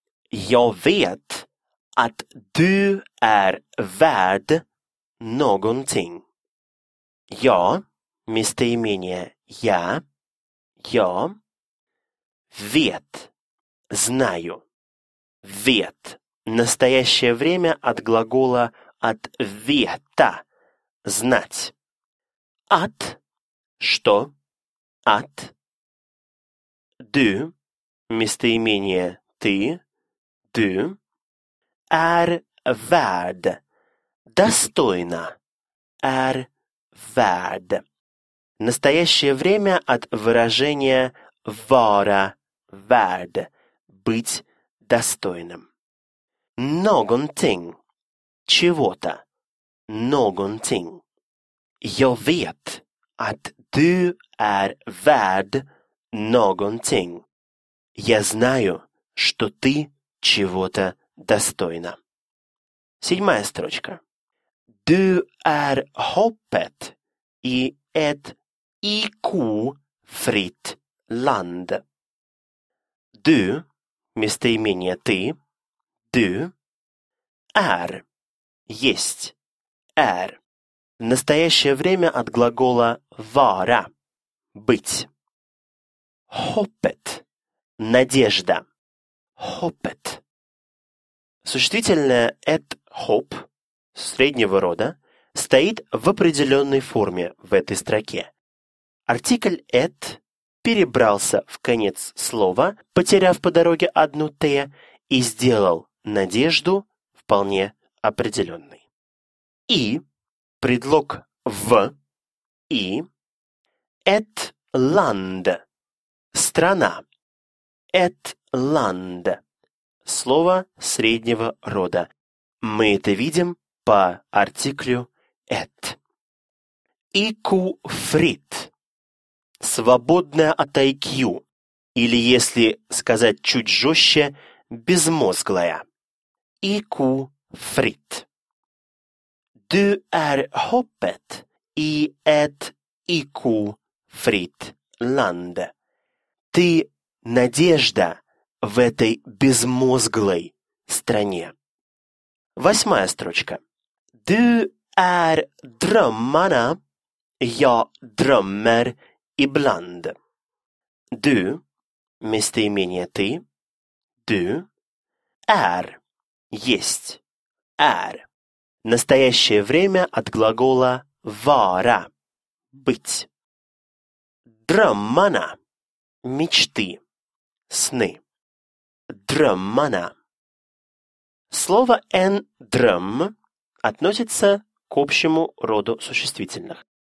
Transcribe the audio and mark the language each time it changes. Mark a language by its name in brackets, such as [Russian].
[Swedish] Jag vet att du är värd någonting. [Russian] Я, местоимение я, я, vet, знаю. Vet, настоящее время от глагола от veta, знать. От, что? [Swedish] От, du, [Russian] местоимение ты, [Swedish] du, är värd, достойно, är värd. [Russian] Настоящее время от выражения vara värd, быть достойным. [Swedish] Någonting, чего-то, någonting. Jag vet att du är värd någonting. [Russian] Я знаю, что ты чего-то достойна. Седьмая строчка. [Swedish] Du är hoppet i ett icke-fritt land. Du, [Russian] местоимение ты, [Swedish] du, är, есть, är. [Russian] В настоящее время от глагола vara – быть. [Swedish] Hoppet – надежда. Hoppet. [Russian] Существительное «et hop» среднего рода стоит в определенной форме в этой строке. Артикль «et» перебрался в конец слова, потеряв по дороге одну «t» и сделал надежду вполне определенной. И предлог «в» и «et land» – страна. «Et land» – слово среднего рода. Мы это видим по артиклю «et». «Icke-fritt» – свободное от IQ, или, если сказать чуть жестче, безмозглое. [Swedish] «Icke-fritt». Du är hoppet i ett icke-fritt land. [Russian] Ты надежда в этой безмозглой стране. Восьмая строчка. [Swedish] Du är drömmarna. Jag drömmer ibland. Du, [Russian] местоимение ты, [Swedish] du, är, есть, är. [Russian] Настоящее время от глагола vara – быть. Drömmarna – мечты, сны. [Swedish] Drömmarna. [Russian] Слово «en dröm» относится к общему роду существительных.